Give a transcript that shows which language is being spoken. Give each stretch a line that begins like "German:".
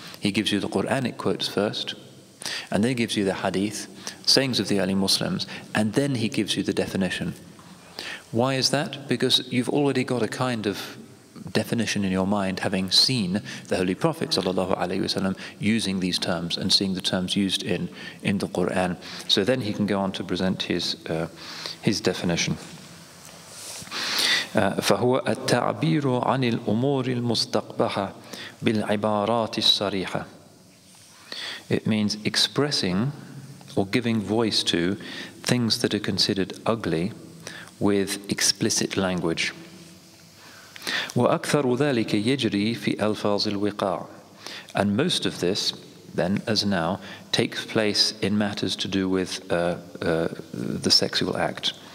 English: He gives you the Qur'anic quotes first, and then he gives you the hadith, sayings of the early Muslims, and then he gives you the definition. Why is that? Because you've already got a kind of definition in your mind, having seen the Holy Prophet sallallahu alaihi wasallam using these terms and seeing the terms used in the Qur'an. So then he can go on to present his definition.
Arabic: فهو التعبير عن الأمور المستقبحة بالعبارات الصريحة.
English: It means expressing or giving voice to things that are considered ugly with explicit language.
Arabic: وأكثر ذلك يجري في ألفاظ الوقاع.
English: And most of this, then as now, takes place in matters to do with the sexual act.